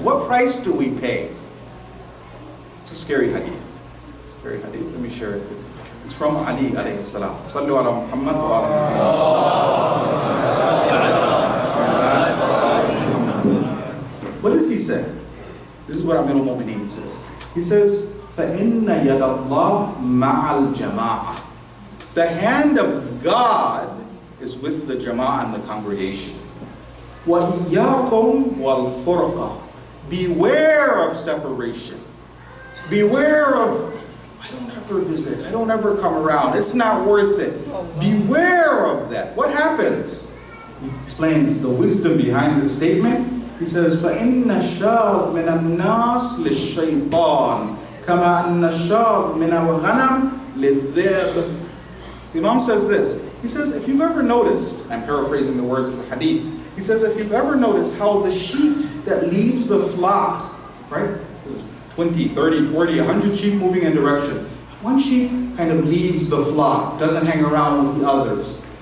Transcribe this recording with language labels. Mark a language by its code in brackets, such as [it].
[en] What price do we pay? It's a scary hadith. Scary hadith. Let me share it with you. It's from Ali alayhi salam. Sallu ala Muhammad wa ala Muhammad. What does he say? This is what Amir al-Mu'mineen says. He says, [ar] فَإِنَّ يَدَ اللَّهِ مَعَ الْجَمَاعَةِ. [en] The hand of God is with the jama'ah and the congregation. [ar] وَإِيَّاكُمْ وَالْفُرْقَةِ. [en] Beware of separation. Beware of, I don't ever come around. It's not worth it. Beware of that. What happens? He explains the wisdom behind the statement. He says, [ar] فَإِنَّ الشَّرْ مِنَ النَّاسِ لِلشَّيْطَانِ كَمَا أَنَّ الشَّرْ مِنَ الْغَنَمِ لِلذِّئْبِ. [en] The Imam says this. He says, if you've ever noticed, I'm paraphrasing the words of the hadith. He says, if you've ever noticed how the sheep that leaves the flock, right? 20, 30, 40, 100 sheep moving in direction. One sheep kind of leads the flock, doesn't hang around with the others.